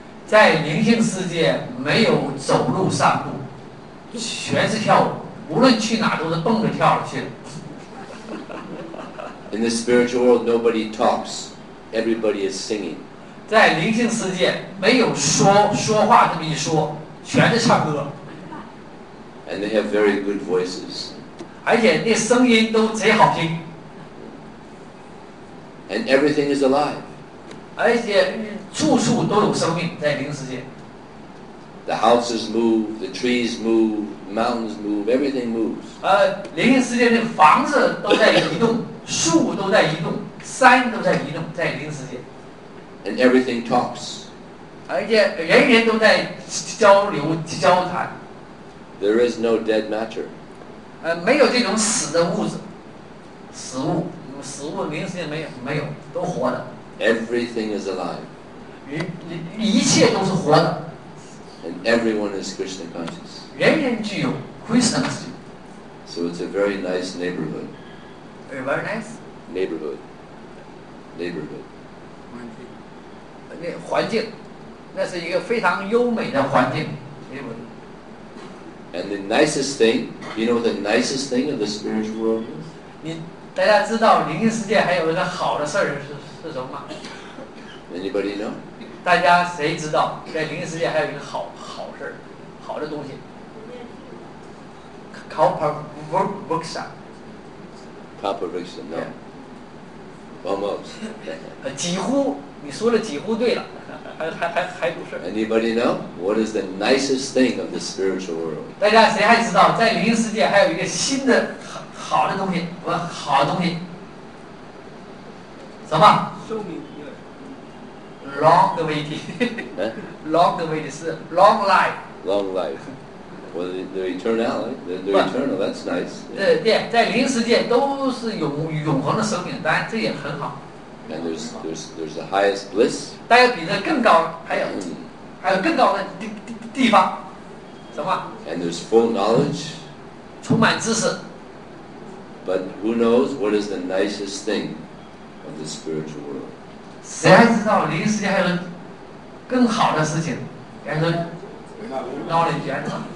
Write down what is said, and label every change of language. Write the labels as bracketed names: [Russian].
[Chinese] 在灵性世界没有走路散步，全是跳舞，无论去哪都是蹦着跳着去。 [English] In the spiritual world, nobody talks. Everybody is singing. [Chinese] 在灵性世界没有说话这么一说，全是唱歌。 [English] And they have very good voices. [Chinese] 而且那声音都贼好听。 [English] And everything is alive. [Chinese] 而且处处都有生命在灵世界。 [English] The houses move, the trees move, mountains move, everything moves. [Chinese] 灵世界的房子都在移动，树都在移动，山都在移动，在灵世界。 [English] And everything talks. [Chinese] 而且人人都在交流交谈。 [English] There is no dead matter. [Chinese] 没有这种死的物质，死物，死物灵世界没有，没有，都活的。 [English] Everything is alive. [Chinese] 一切都是活的。 [English] And everyone is Krishna conscious. [Chinese] 人人具有 Krishna consciousness. [English] So it's a very nice neighborhood. Very nice? Neighborhood. Neighborhood. [Chinese] 环境。那环境，那是一个非常优美的环境。 [English] And the nicest thing, you know what the nicest thing of the spiritual world is? [Chinese] 你大家知道灵世界还有一个好的事儿 是什么吗？ [English] Anybody know? [Chinese] 大家谁知道在灵世界还有一个好好事好的东西 Copper Vriksha [English] Copper Vriksha no、 yeah. almost [Chinese] 几乎你说的几乎对了还不是 [English] anybody know what is the nicest thing of the spiritual world [Chinese] 大家谁还知道在灵世界还有一个新的 好的东西不好的东西什么寿命 [English] Long waiting. Long waiting is long life. Long life. Well, they're eternal, that's nice. [Chinese] 在灵世界都是永恒的生命，当然这也很好。 [English] And there's the highest bliss. [Chinese] 但有比这更高，还有更高的地方，什么？ [English] And there's full knowledge. [Chinese] 充满知识。 [English] But who knows what is the nicest thing of the spiritual world? [Chinese] 谁还知道灵世界还有更好的事情？还是闹了一圈子？